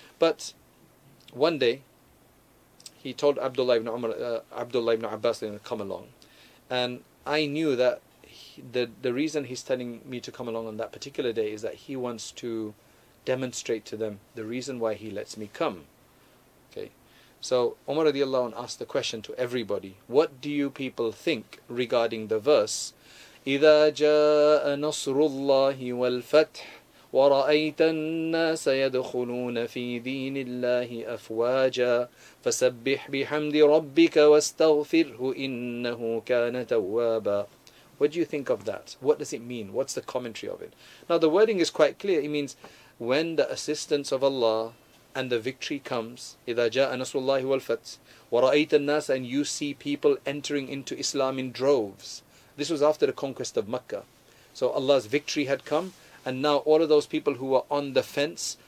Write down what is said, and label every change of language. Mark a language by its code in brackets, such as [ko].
[en] But one day, he told Abdullah ibn Umar, Abdullah ibn Abbas, to come along. And I knew that the reason he's telling me to come along on that particular day is that he wants to demonstrate to them the reason why he lets me come. Okay. So Umar radiallahu anhu asked the question to everybody. What do you people think regarding the verse, [ar] إِذَا جَاءَ نَصْرُ اللَّهِ وَالْفَتْحِ وَرَأَيْتَ النَّاسَ يَدْخُلُونَ فِي دِينِ اللَّهِ أَفْوَاجًا فَسَبِّحْ بِحَمْدِ رَبِّكَ وَاسْتَغْفِرْهُ إِنَّهُ كَانَ تَوَّابًا. [en] What do you think of that? What does it mean? What's the commentary of it? Now the wording is quite clear. It means when the assistance of Allah and the victory comes, [ar] إِذَا جَاءَ نَصْرُ اللَّهِ وَالْفَتْحِ وَرَأَيْتَ النَّاسَ, [en] and you see people entering into Islam in droves. This was after the conquest of Makkah. So Allah's victory had come, and now all of those people who were on the fence